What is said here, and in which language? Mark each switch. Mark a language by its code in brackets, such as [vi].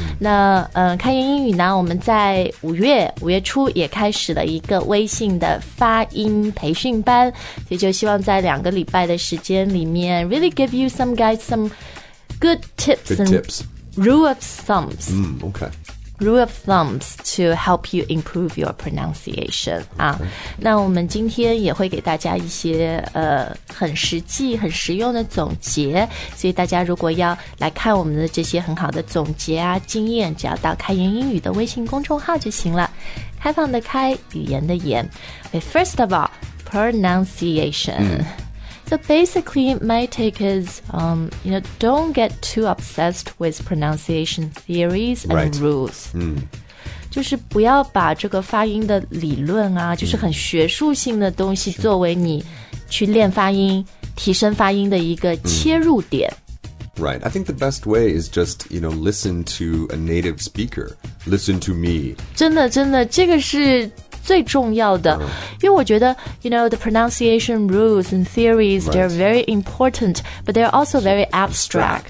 [zh] 那开言英语呢，我们在五月初也开始了一个微信的发音培训班，所以就希望在两个礼拜的时间里面 [en] really give you some guys some good tips and tips. Rule of thumbs. Okay. Rule of thumbs to help you improve your pronunciation. Okay. [zh] 那我们今天也会给大家一些很实际、很实用的总结。所以大家如果要来看我们的这些很好的总结啊、经验，只要到开言英语的微信公众号就行了。开放的开，语言的言。 [en] Okay, first of all, pronunciation. So basically, my take is, you know, don't get too obsessed with pronunciation theories and rules. [zh] 就是不要把这个发音的理论啊，就是很学术性的东西作为你去练发音、提升发音的一个切入点。 [en] Right. I think the best way is just, you know, listen to a native speaker. Listen to me. [zh] 真的，真的，这个是最重要的，因为我觉得 [en] you know, the pronunciation rules and theories, they're very important, but they're also very abstract.